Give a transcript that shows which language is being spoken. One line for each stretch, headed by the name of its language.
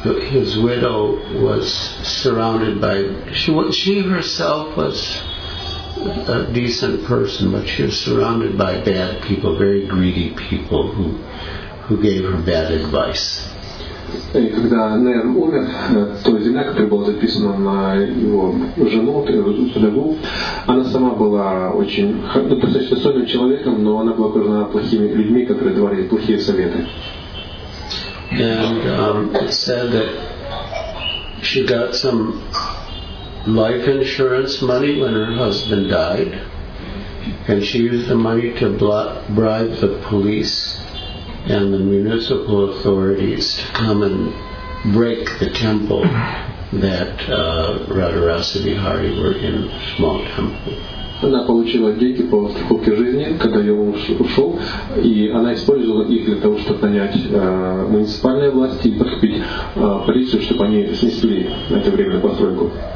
English: His widow was surrounded by she herself was a decent person, but she was surrounded by bad people, very greedy people who gave her bad advice.
Russian: И когда Нейр умер, то земля, которая была записана на его жену, вдову, она сама была очень, ну, достаточно сонным человеком, но она была окружена плохими людьми, которые давали плохие советы.
English: And it said that she got some life insurance money when her husband died, and she used the money to bribe the police and the municipal authorities to come and break the temple that Radharasa Bihari were in, small temple.
Russian: Она получила деньги по страховке жизни, когда ее муж ушел, и она использовала их для того, чтобы нанять муниципальные власти и подкупить полицию, чтобы они снесли на это время постройку.